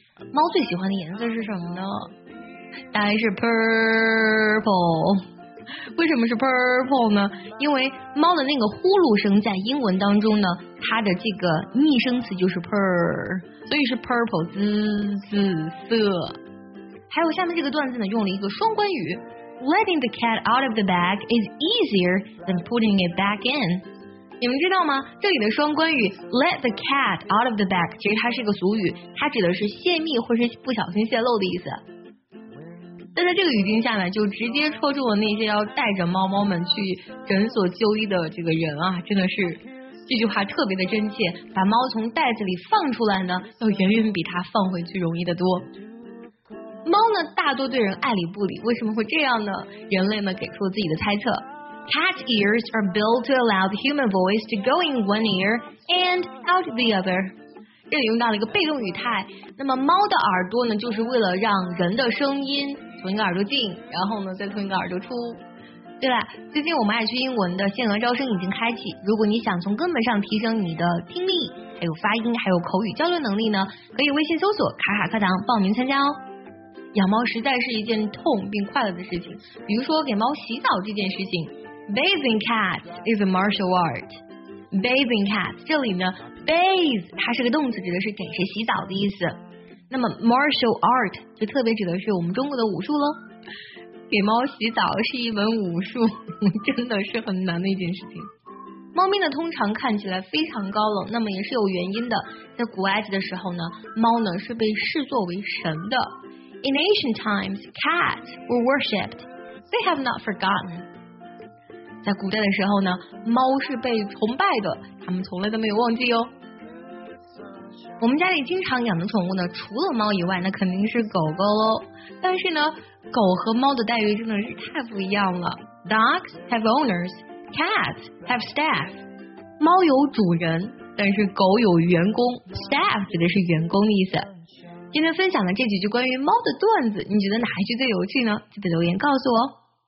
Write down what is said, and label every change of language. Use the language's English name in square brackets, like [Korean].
[Chinese] 猫最喜欢的颜色是什么呢？答案是 purple。为什么是 purple 呢？因为猫的那个呼噜声在英文当中呢，它的这个拟声词就是 purr， 所以是 purple， 滋滋色。还有下面这个段子呢，用了一个双关语 ， [English] Letting the cat out of the bag is easier than putting it back in。 [Chinese] 你们知道吗？这里的双关语 [English] let the cat out of the bag [Chinese] 其实它是一个俗语，它指的是泄密或是不小心泄露的意思。但在这个语境下呢，就直接戳中了那些要带着猫猫们去诊所就医的这个人啊，真的是这句话特别的真切。把猫从袋子里放出来呢，要远远比它放回去容易得多。猫呢，大多对人爱理不理，为什么会这样呢？人类呢，给出了自己的猜测。 [English] Cat ears are built to allow the human voice to go in one ear and out the other. [Chinese] 这里用到了一个被动语态。那么猫的耳朵呢，就是为了让人的声音从一个耳朵进，然后呢再从一个耳朵出。对了，最近我们爱趣英文的限额招生已经开启，如果你想从根本上提升你的听力、还有发音、还有口语交流能力呢，可以微信搜索卡卡课堂报名参加哦。养猫实在是一件痛并快乐的事情，比如说给猫洗澡这件事情。 [English] Bathing cats is a martial art. Bathing cats [Chinese] 这里呢 ，bathe 它是个动词，指的是给谁洗澡的意思。那么 martial art 就特别指的是我们中国的武术喽。给猫洗澡是一门武术，真的是很难的一件事情。猫咪呢，通常看起来非常高冷，那么也是有原因的。在古埃及的时候呢，猫呢是被视作为神的。 [English] In ancient times, cats were worshipped. They have not forgotten. [Chinese] 在古代的时候呢，猫是被崇拜的，他们从来都没有忘记哦。我们家里经常养的宠物呢，除了猫以外，那肯定是狗狗喽。但是呢，狗和猫的待遇真的是太不一样了。 [English] Dogs have owners, cats have staff. [Chinese] 猫有主人，但是狗有员工。Staff 指的是员工的意思。今天分享的这几句关于猫的段子，你觉得哪一句最有趣呢？记得留言告诉我哦。